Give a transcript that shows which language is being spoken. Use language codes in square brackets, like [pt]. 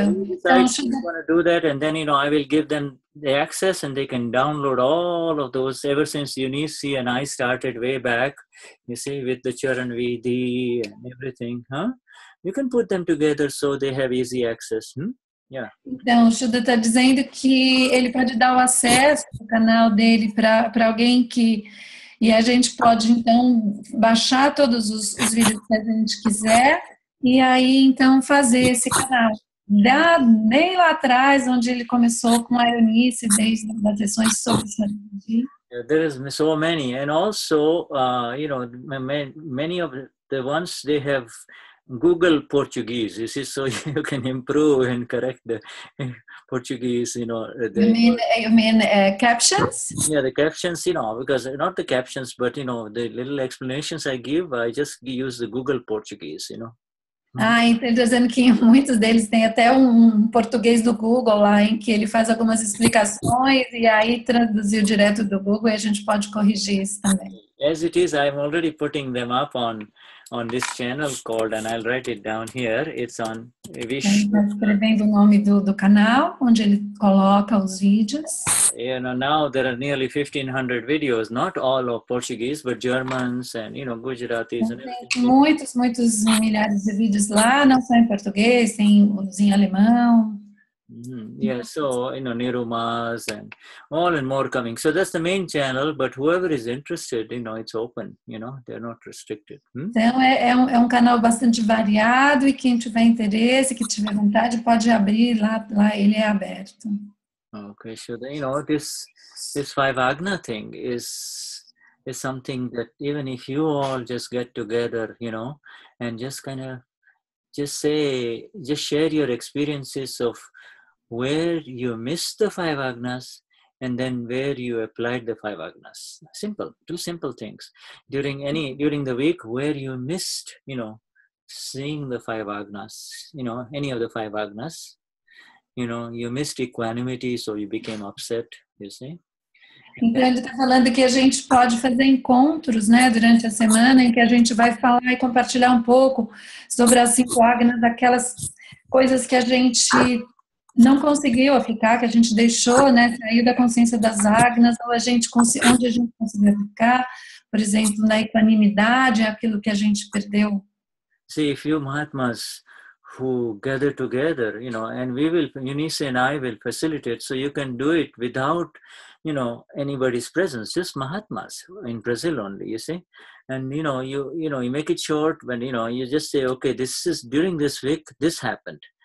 [en] I'm going to do that, and then, you know, I will give them the access, and they can download all of those ever since Eunice and I started way back, you see, with the Charan Vidhi and everything. Huh? You can put them together so they have easy access. Hmm? Yeah. [pt] Então, o Shuddha está dizendo que ele pode dar o acesso ao canal dele para alguém que... E a gente pode, então, baixar todos os vídeos que a gente quiser e aí, então, fazer esse canal. Bem lá atrás, onde ele começou com a Eunice, desde as sessões sobre o Sarandji. [en] Yeah, there is so many. And also, you know, many of the ones they have... Google Portuguese, you see, so you can improve and correct the Portuguese, you know. You mean captions? Yeah, the captions, you know, because not the captions, but, you know, the little explanations I give, I just use the Google Portuguese, you know. [pt] Ah, então dizendo que muitos deles têm até um português do Google lá, em que ele faz algumas explicações e aí traduziu direto do Google e a gente pode corrigir isso também. [en] As it is, I'm already putting them up on this channel called, and I'll write it down here, it's on Vishuddhatma. [pt] Está escrevendo o nome do canal, onde ele coloca os vídeos. [en] You know, now there are nearly 1,500 videos, not all of Portuguese, but Germans and, you know, Gujaratis. [pt] Tem muitos, muitos milhares de vídeos lá, não só em português, tem os em alemão. Mm-hmm. [en] Yeah, so, you know, Nirumas and more coming. So that's the main channel, but whoever is interested, you know, it's open, you know, they're not restricted. [pt] Então, é um canal bastante variado e quem tiver interesse, que tiver vontade, pode abrir lá, ele é aberto. [en] Okay, so, you know, this five Agna thing is something that even if you all just get together, you know, and just kind of just say, just share your experiences of where you missed the five agnas and then where you applied the five agnas. Simple, two simple things. During the week, where you missed, you know, seeing the five agnas, you know, any of the five agnas, you know, you missed equanimity, so you became upset, you see. [pt] Então, ele está falando que a gente pode fazer encontros, né, durante a semana, em que a gente vai falar e compartilhar um pouco sobre as cinco agnas, aquelas coisas que a gente não conseguiu ficar, que a gente deixou, né, sair da consciência das agnas, ou a gente, onde a gente conseguiu ficar, por exemplo, na equanimidade, aquilo que a gente perdeu. [en] See, if you Mahatmas who gather together, you know, and we will, Eunice and I will facilitate, so you can do it without, you know, anybody's presence, just Mahatmas in Brazil only, you see. And, you know, you make it short, when, you know, you just say, okay, this is, during this week, this happened.